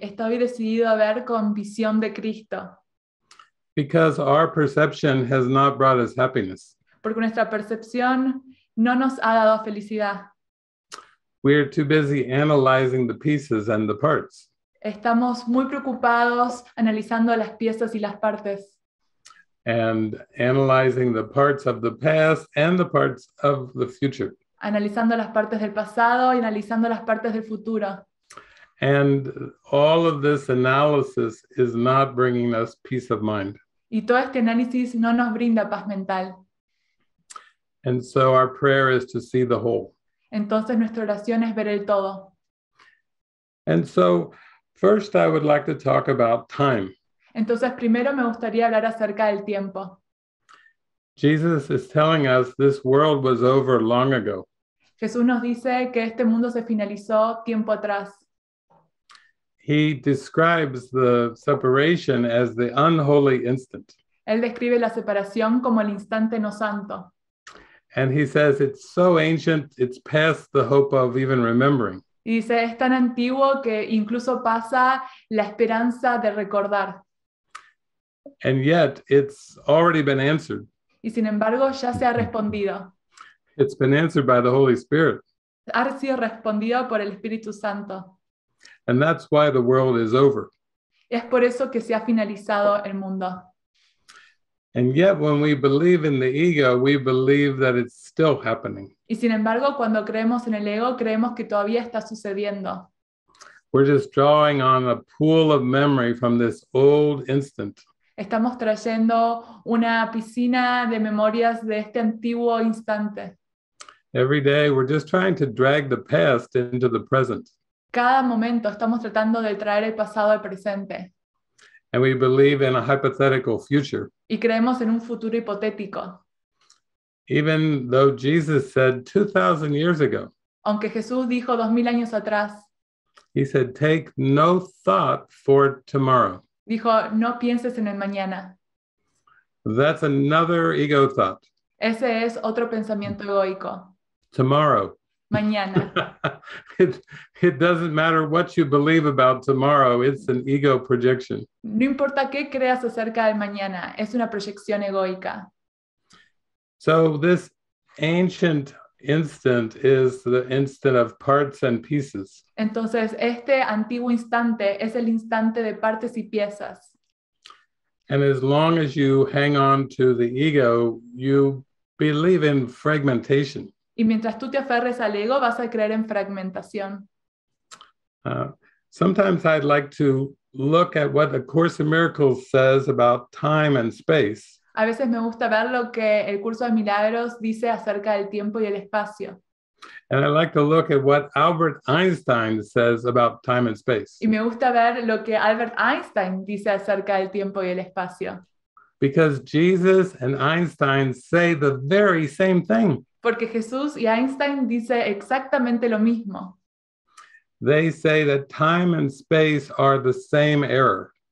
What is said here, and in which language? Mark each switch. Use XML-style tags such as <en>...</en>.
<es>Estoy decidido a ver con visión de Cristo.</es> <en>Because our perception has not brought us happiness.</en> <es>Porque nuestra percepción no nos ha dado felicidad.</es> <en>We're too busy analyzing the pieces and the parts.</en> <es>Estamos muy preocupados analizando las piezas y las partes.</es> <en>And analyzing the parts of the past and the parts of the future.</en> <es>Analizando las partes del pasado y analizando las partes del futuro.</es> <en>And all of this analysis is not bringing us peace of mind.</en> <es>Y todo este análisis no nos brinda paz mental.</es> <en>And so our prayer is to see the whole.</en> <es>Entonces nuestra oración es ver el todo.</es> <en>And so first I would like to talk about time.</en> <es>Entonces primero me gustaría hablar acerca del tiempo.</es> <en>Jesus is telling us this world was over long ago.</en> <es>Jesús nos dice que este mundo se finalizó tiempo atrás.</es> <en>He describes the separation as the unholy instant.</en> <es>Él describe la separación como el instante no santo.</es> <en>And he says, it's so ancient, it's past the hope of even remembering.</en> <es>Y dice, es tan antiguo que incluso pasa la esperanza de recordar.</es> <en>And yet, it's already been answered.</en> <es>Y sin embargo, ya se ha respondido.</es> <en>It's been answered by the Holy Spirit.</en> <es>Ha sido respondido por el Espíritu Santo.</es> <en>And that's why the world is over.</en> <es>Es por eso que se ha finalizado el mundo.</es> <en>And yet, when we believe in the ego, we believe that it's still happening.</en> <es>Y sin embargo, cuando creemos en el ego, creemos que todavía está sucediendo.</es> <en>We're just drawing on a pool of memory from this old instant.</en> <es>Estamos trayendo una piscina de memorias de este antiguo instante.</es> <en>Every day, we're just trying to drag the past into the present.</en> <es>Cada momento, estamos tratando de traer el pasado al presente.</es> <en>And we believe in a hypothetical future.</en> <es>Y creemos en un futuro hipotético.</es> <en>Even though Jesus said 2,000 years ago.</en> <es>Aunque Jesús dijo 2,000 años atrás.</es> <en>He said, take no thought for tomorrow.</en> <es>Dijo, no pienses en el mañana.</es> <en>That's another ego thought.</en> <es>Ese es otro pensamiento egoico.</es> <en>Tomorrow.</en> <es>Mañana.</es> <en>It doesn't matter what you believe about tomorrow, it's an ego projection.</en> <es>No importa qué creas acerca del mañana, es una proyección egoica.</es> <en>So this ancient instant is the instant of parts and pieces.</en> <es>Entonces, este antiguo instante es el instante de partes y piezas.</es> <en>And as long as you hang on to the ego, you believe in fragmentation.</en> <es>Y mientras tú te aferres al ego, vas a creer en fragmentación.</es> <en>Sometimes I'd like to look at what the Course in Miracles says about time and space.</en> <es>A veces me gusta ver lo que el Curso de Milagros dice acerca del tiempo y el espacio.</es> <en>And I'd like to look at what Albert Einstein says about time and space.</en> <es>Y me gusta ver lo que Albert Einstein dice acerca del tiempo y el espacio.</es> <en>Because Jesus and Einstein say the very same thing.</en> <es>Porque Jesús y Einstein dice exactamente lo mismo.</es> <en>They say that time and space are the same error.</en>